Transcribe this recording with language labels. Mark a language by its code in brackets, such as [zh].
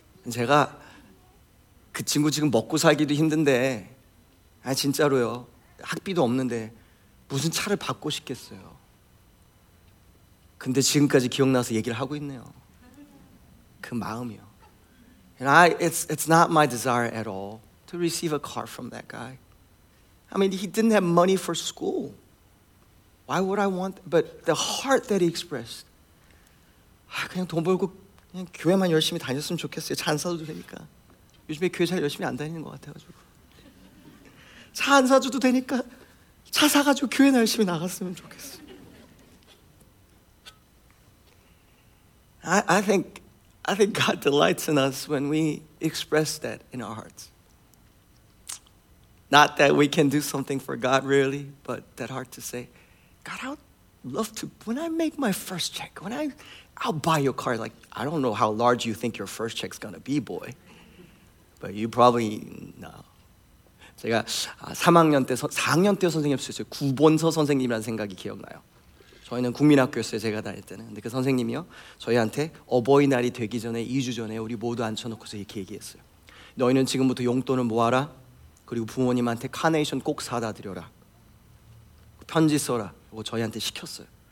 [ko] 제가 그 친구 지금 먹고 살기도 힘든데, 아 진짜로요. 학비도 없는데 무슨 차를 받고 싶겠어요. 근데 지금까지 기억나서 얘기를 하고 있네요. 그 마음이요. [en] And it's not my desire at all to receive a car from that guy. I mean, he didn't have money for school. Why would I want, but the heart that he expressed, [ko] 아, 그냥 돈 벌고 그냥 교회만 열심히 다녔으면 좋겠어요. 차 안 사줘도 되니까. 요즘에 교회 잘 열심히 안 다니는 것 같아가지고. 차 안 사줘도 되니까 차 사가지고 교회나 열심히 나갔으면 좋겠어요. [en] I think God delights in us when we express that in our hearts. Not that we can do something for God really, but that heart to say, God, I would love to, when I make my first check, I'll buy your car. Like, I don't know how large you think your first check's gonna be, boy. But you probably know. [ko] 제가 3학년 때, 4학년 때 선생님 없었어요. 구본서 선생님이라는 생각이 기억나요. 저희는 국민학교였어요, 제가 다닐 때는. 근데 그 선생님이요, 저희한테 어버이날이 되기 전에 2주 전에 우리 모두 앉혀놓고서 이렇게 얘기했어요. 너희는 지금부터 용돈을 모아라. 그리고 부모님한테 카네이션 꼭 사다 드려라. 편지 써라. 이거 저희한테 시켰어요.